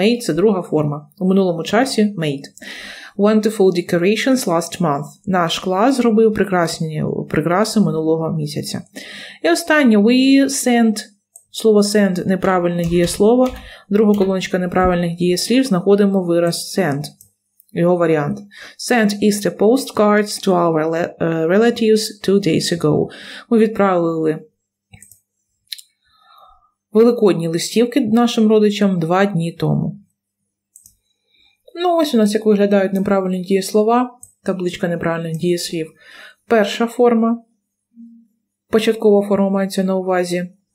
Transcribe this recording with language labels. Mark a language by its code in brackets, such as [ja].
[uk] Made – це друга форма. У минулому часі – made. [en] Wonderful decorations last month. [uk] Наш клас зробив прикраси минулого місяця. І останнє. [en] We sent. [uk] Слово send – неправильне дієслово. Друга колоночка неправильних дієслів. Знаходимо вираз send. Його варіант. [en] Sent Easter postcards to our relatives 2 days ago. [uk] Ми відправили великодні листівки нашим родичам 2 дні тому. Ну, ось у нас як виглядають неправильні дієслова, табличка неправильних дієслів. Перша форма, початкова форма мається на увазі.